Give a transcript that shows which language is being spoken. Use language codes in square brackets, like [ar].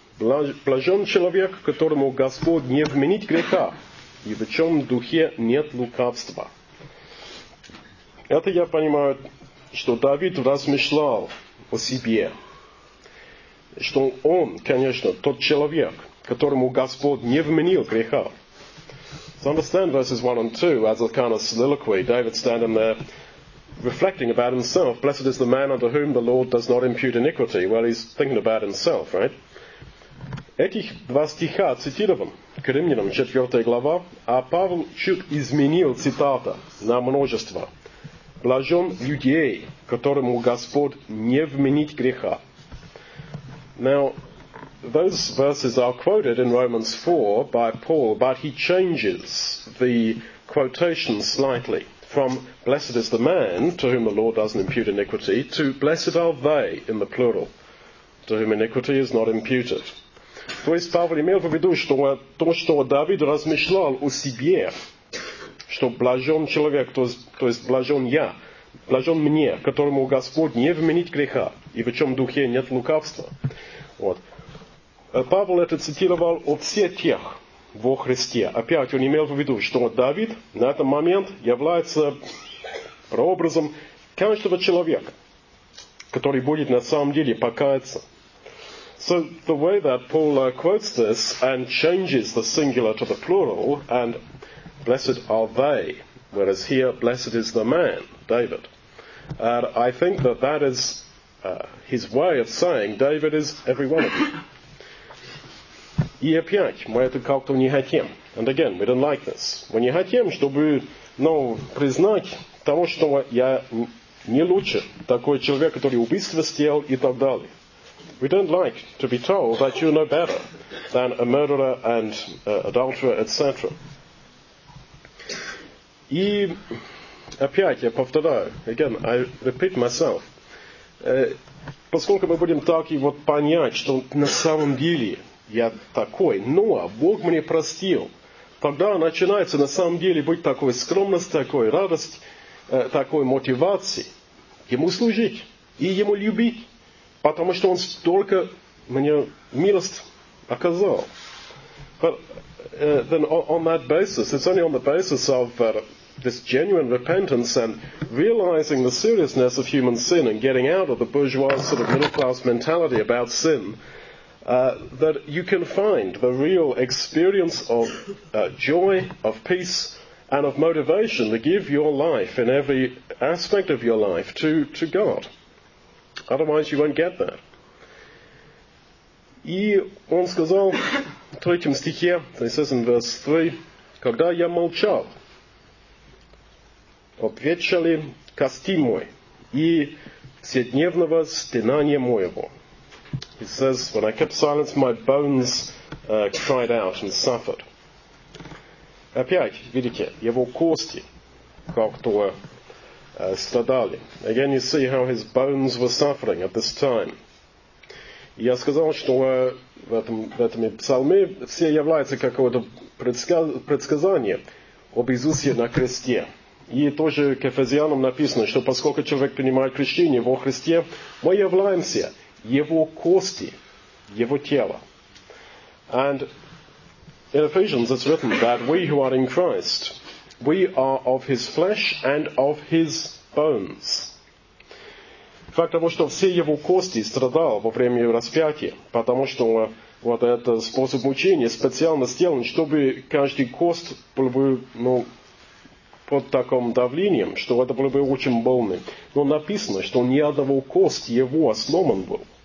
[ru] Блажен человек, которому Господь не вменит греха, и в чем духе нет лукавства. Это я понимаю, что Давид размышлял о себе, что он, конечно, тот человек, которому Господь не вменил греха. [en] So understand verses 1 and 2 as a kind of soliloquy. David standing there reflecting about himself. Blessed is the man unto whom the Lord does not impute iniquity. Well, he's thinking about himself, right? [ru] Этих два стиха цитирован к Римлянам, 4 глава, а Павел чуть изменил цитата на множество. Блажен людей, которому Господь не вменит греха. [en] Now, those verses are quoted in Romans 4 by Paul, but he changes the quotation slightly from blessed is the man to whom the Lord doesn't impute iniquity to blessed are they in the plural to whom iniquity is not imputed. [ru] То есть Павел имел в виду, что то, что Давид размышлял о себе, что блажен человек, то есть блажен я, блажен мне, которому Господь не вменит греха, и в чем духе нет лукавства. Вот. Павел это цитировал о всех тех во Христе. Опять он имел в виду, что Давид на этот момент является прообразом каждого человека, который будет на самом деле покаяться. [en] So the way that Paul quotes this and changes the singular to the plural and blessed are they, whereas here blessed is the man, David. And I think that is his way of saying David is every one of you. [ru] И опять, мы это как-то не хотим. [en] And again, we don't like this. [ru] Мы не хотим, чтобы, признать того, что я не лучше такой человек, который убийство сделал и так далее. [en] We don't like to be told that you're no better than a murderer and adulterer, etc. [ru] И опять, я повторяю, [en] again, I repeat myself. [ru] Поскольку мы будем так и вот понять, что на самом деле я такой, но Бог мне простил. Тогда начинается на самом деле быть такой скромность, такой радость, такой мотивации. Ему служить и ему любить, потому что он столько мне милость оказал. [en] But then on that basis, it's only on the basis of this genuine repentance and realizing the seriousness of human sin and getting out of the bourgeois sort of middle class mentality about sin, that you can find the real experience of joy, of peace, and of motivation to give your life in every aspect of your life to God. Otherwise, you won't get that. [ru] И он сказал в третьем стихе, [en] he says in verse 3, [ru] когда я молчал, обвечали кости мой и вседневного стенания моего. [en] He says, when I kept silence, my bones cried out and suffered. [ru] Опять, видите, его кости как-то страдали. [en] Again, you see how his bones were suffering at this time. [ru] Я сказал, что в этом псалме все являются какое-то предсказание об Иисусе на кресте. И тоже к Ефезианам написано, что поскольку человек принимает крещение во Христе, мы являемся его кости, его тела. [en] And in Ephesians it's written that we who are in Christ, we are of his flesh and of his bones. [ru] Факт того, что все его кости страдал во время распятия, потому что вот этот способ мучения специально сделан, чтобы каждый кост был бы, под таким давлением, что это было бы очень больно. Но написано, что ни одного кости его сломан был.